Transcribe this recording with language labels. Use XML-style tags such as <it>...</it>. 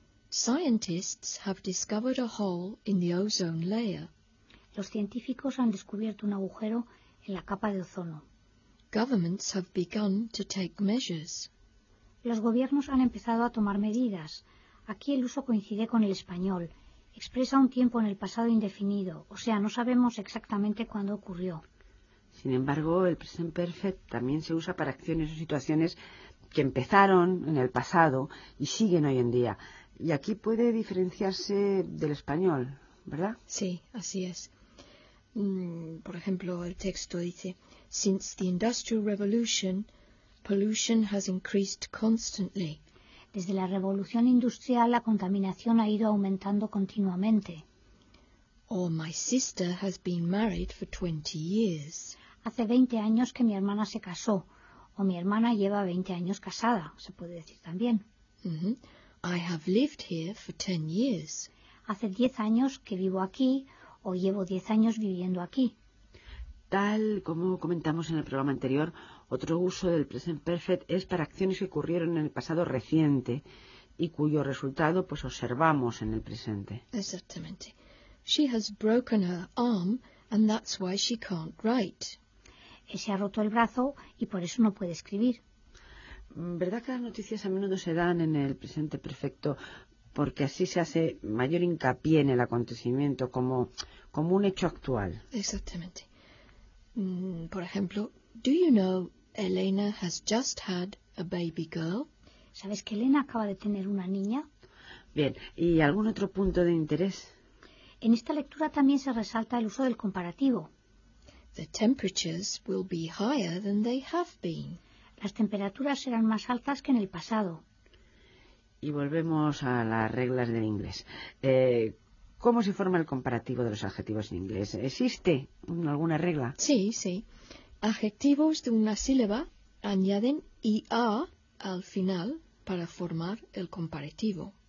<en>Scientists have discovered a hole in the ozone layer.</en> <es>Los científicos han descubierto un agujero en la capa de ozono.</es> <en>Governments have begun to take measures.</en> <es>Los gobiernos han empezado a tomar medidas. Aquí el uso coincide con el español. Expresa un tiempo en el pasado indefinido, o sea, no sabemos exactamente cuándo ocurrió. Sin embargo, el present perfect también se usa para acciones o situaciones que empezaron en el pasado y siguen hoy en día. Y aquí puede diferenciarse del español, ¿verdad? Sí, así es. Por ejemplo, el texto dice:</es> <en>Since the Industrial Revolution, pollution has increased constantly.</en> <es>Desde la revolución industrial, la contaminación ha ido aumentando continuamente.</es> <en>Or my sister has been married for 20 years.</en> <es>Hace 20 años que mi hermana se casó. O mi hermana lleva 20 años casada, se puede decir también.</es> <en>I have lived here for 10 years.</en> <es>Hace 10 años que vivo aquí, o llevo 10 años viviendo aquí. Tal como comentamos en el programa anterior, otro uso del present perfect es para acciones que ocurrieron en el pasado reciente y cuyo resultado pues observamos en el presente. Exactamente.</es> <en>She has broken her arm and that's why she can't write.</en> <es>Se ha roto el brazo y por eso no puede escribir. ¿Verdad que las noticias a menudo se dan en el presente perfecto porque así se hace mayor hincapié en el acontecimiento como un hecho actual? Exactamente. Por ejemplo,</es> <en>do you know Elena has just had a baby girl?</en> <es>¿Sabes que Elena acaba de tener una niña? Bien, ¿y algún otro punto de interés? En esta lectura también se resalta el uso del comparativo.</es> <en>The temperatures will be higher than they have been.</en> <es>Las temperaturas serán más altas que en el pasado. Y volvemos a las reglas del inglés. ¿Cómo se forma el comparativo de los adjetivos en inglés? ¿Existe alguna regla? Sí, sí. Adjetivos de una sílaba añaden IA al final para formar el comparativo.</es>